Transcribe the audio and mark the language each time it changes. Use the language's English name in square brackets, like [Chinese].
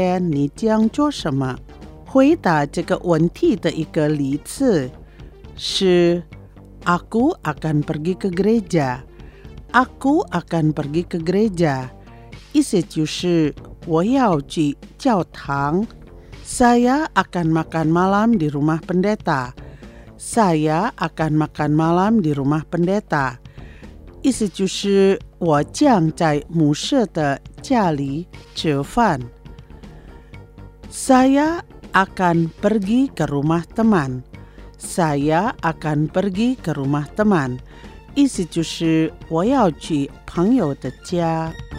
[Chinese] 意思就是礼拜天你将做什么?回答这个问题的一个例子是 [Indonesian] Aku akan pergi ke gereja. Aku akan pergi ke gereja. [Chinese] 意思就是我要去教堂. [Indonesian] Saya akan makan malam di rumah pendeta. Saya akan makan malam di rumah pendeta. [Chinese] 意思就是我将在牧师的家里吃饭. [Indonesian] Saya akan pergi ke rumah teman. Saya akan pergi ke rumah teman. [Chinese] 意思就是我要去朋友的家。